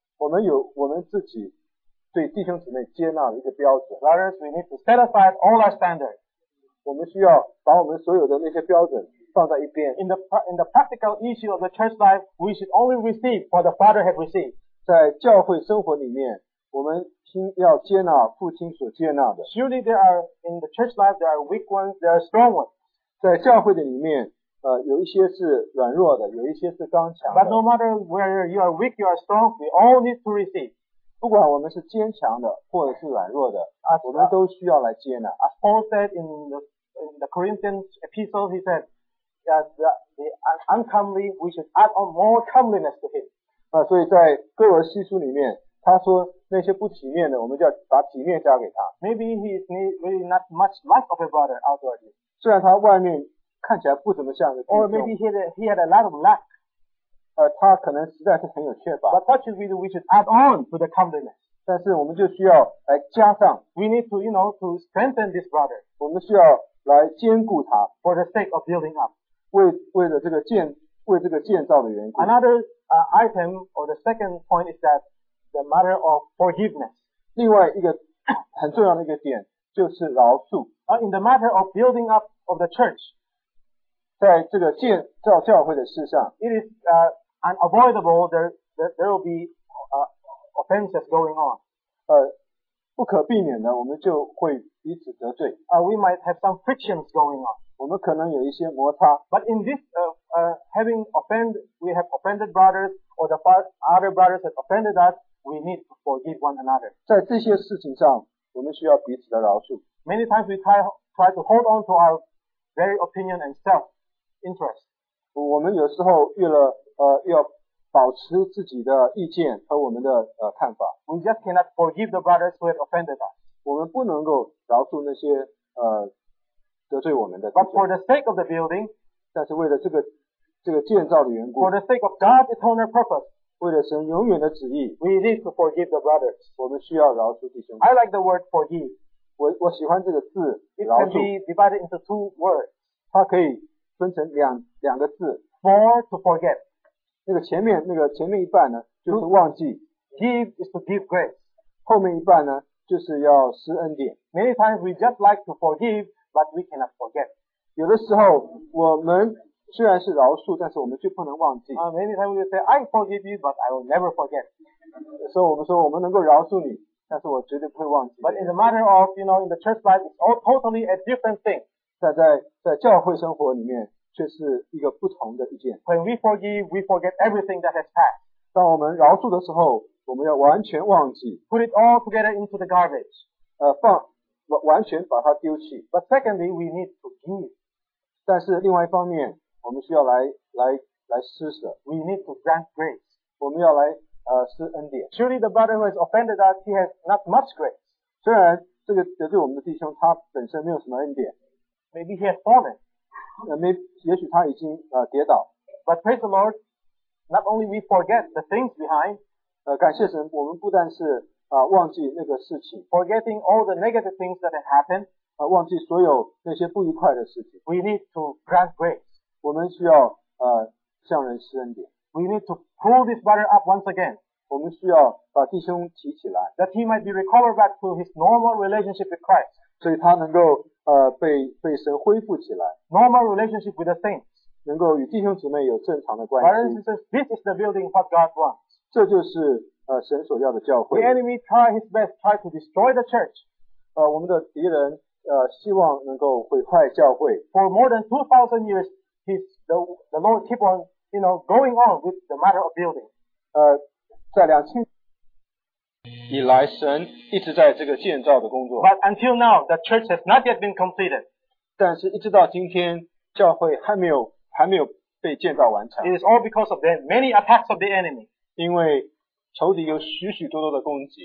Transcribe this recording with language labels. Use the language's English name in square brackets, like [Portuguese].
[Chinese] 我们有我们自己对弟兄姊妹接纳的一个标准。 [English] Brothers, we need to set aside all our standards. [Chinese] 我们需要把我们所有的那些标准放在一边。 [English] In the practical issue of the church life, we should only receive what the father has received. [Chinese] 在教会生活里面，我们要接纳父亲所接纳的。 [English] Surely there are in the church life there are weak ones, there are strong ones. [Chinese] 在教会的里面。有一些是软弱的，有一些是刚强的。 [English] But no matter whether you are weak, you are strong, we all need to receive. [Chinese] 不管我们是坚强的，或者是软弱的， [English] as、 [Chinese] 我们都需要来接纳。 [English] As Paul said in the Corinthians epistle, he said, that the uncomely, we should add on more comeliness to him. [Chinese] 所以在哥罗西书里面，他说那些不体面的，我们就要把体面加给他。 [English] Maybe he is really not much like of a brother outwardly. [Chinese] 虽然他外面看起来不怎么像个弟兄。 [English] Or maybe he had a lot of lack. [Chinese] 他可能实在是很有缺乏。 [English] But what should we do? We should add on to the comeliness. [Chinese] 但是我们就需要来加上。 [English] We need to, you know, to strengthen this brother. [Chinese] 我们需要来兼顾他。 [English] For the sake of building up. [Chinese] 为这个建造的缘故。 [English] Another item or the second point is that the matter of forgiveness. [Chinese] 另外一个很重要的一个点就是饶恕。 [English] In the matter of building up of the church. [Chinese] 在这个建造教会的事上 [English] ，It is unavoidable there will be offenses going on. [Chinese] 不可避免的，我们就会彼此得罪。 [English] We might have some frictions going on. [Chinese] 我们可能有一些摩擦。 [English] But in this having offended brothers or the other brothers have offended us, we need to forgive one another. [Chinese] 在这些事情上，我们需要彼此的饶恕。 [English] Many times we try to hold on to our very opinion and self. Interest. [Chinese] 我们有时候为了要保持自己的意见和我们的看法。 [English] We just cannot forgive the brothers who have offended us. [Chinese] 我们不能够饶恕那些得罪我们的。 [English] But for the sake of the building. [Chinese] 但是为了这个建造的缘故。 [English] For the sake of God's eternal purpose. [Chinese] 为了神永远的旨意。 [English] We need to forgive the brothers. [Chinese] 我们需要饶恕弟兄。 [English] I like the word forgive. [Chinese] 我喜欢这个字。 [English] It can be divided into two words. [Chinese] 它可以。分成两个字 [English] ，for to forget， [Chinese] 那个前面一半呢，就是忘记 [English] ，give is to give grace， [Chinese] 后面一半呢，就是要施恩典。 [English] Many times we just like to forgive, but we cannot forget。 [Chinese] 有的时候我们虽然是饶恕，但是我们却不能忘记。 [English] Many times we say I forgive you, but I will never forget。 [Chinese] 所以我们说我们能够饶恕你，但是我绝对不会忘记。 [English] But in the matter of, you know, in the church life, it's all totally a different thing. [Chinese] 在教会生活里面却是一个不同的一件。 [English] When we forgive, we forget everything that has passed. [Chinese] 当我们饶恕的时候，我们要完全忘记。 [English] Put it all together into the garbage. [Chinese] 完全把它丢弃。 [English] But secondly, we need to give. [Chinese] 但是另外一方面，我们需要来施舍。 [English] We need to grant grace. [Chinese] 我们要来施恩典。 [English] Surely the brother who has offended us, he has not much grace. [Chinese] 虽然这个得罪我们的弟兄，他本身没有什么恩典。 [English] Maybe he has fallen. [Chinese] 也许他已经跌倒。 [English] But praise the Lord, not only we forget the things behind. [Chinese] 感谢神，我们不但是忘记那个事情。 [English] Forgetting all the negative things that have happened. [Chinese] 忘记所有那些不愉快的事情。 [English] We need to grant grace. [Chinese] 我们需要向人施恩典。 [English] We need to pull this brother up once again. [Chinese] 我们需要把弟兄提起来。 [English] That he might be recovered back to his normal relationship with Christ. [Chinese] 所以他能够被神恢复起来。 [English] Normal relationship with the saints. [Chinese] 能够与弟兄姊妹有正常的关系。 [English] Brothers and sisters, this is the building what God wants. [Chinese] 这就是神所要的教会。 [English] The enemy try his best try to destroy the church. [Chinese] 我们的敌人希望能够毁坏教会。 [English] For more than 2,000 years, the Lord keep on, you know, going on with the matter of building. [Chinese] 在2000 以来，神一直在这个建造的工作。 [English] But until now, the church has not yet been completed. [Chinese] 但是一直到今天，教会还没有被建造完成。 [English] It is all because of the many attacks of the enemy. [Chinese] 因为仇敌有许许多多的攻击。